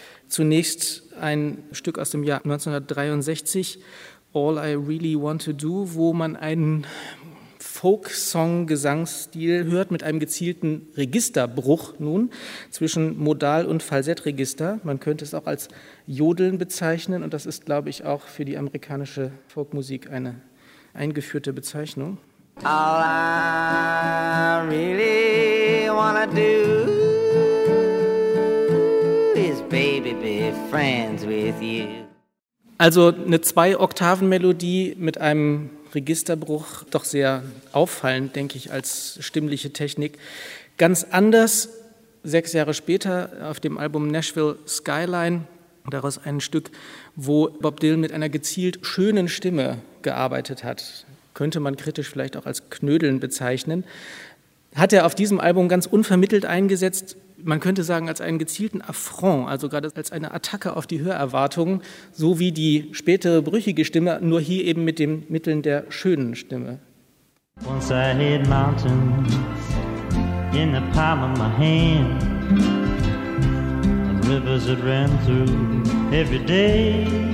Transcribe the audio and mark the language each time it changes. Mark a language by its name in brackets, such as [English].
[German] Zunächst ein Stück aus dem Jahr 1963, All I Really Want to Do, wo man einen Folk-Song-Gesangsstil hört mit einem gezielten Registerbruch nun zwischen Modal- und Falsettregister. Man könnte es auch als Jodeln bezeichnen und das ist, glaube ich, auch für die amerikanische Folkmusik eine eingeführte Bezeichnung. [English] All I really wanna do is baby be friends with you. [German] Also eine 2-Oktaven-Melodie mit einem Registerbruch, doch sehr auffallend, denke ich, als stimmliche Technik. Ganz anders, 6 Jahre später auf dem Album Nashville Skyline, daraus ein Stück, wo Bob Dylan mit einer gezielt schönen Stimme gearbeitet hat. Könnte man kritisch vielleicht auch als Knödeln bezeichnen, hat er auf diesem Album ganz unvermittelt eingesetzt, man könnte sagen als einen gezielten Affront, also gerade als eine Attacke auf die Hörerwartungen, so wie die spätere brüchige Stimme, nur hier eben mit den Mitteln der schönen Stimme. [English] Once I hid mountains in the palm of my hand, and rivers that ran through every day.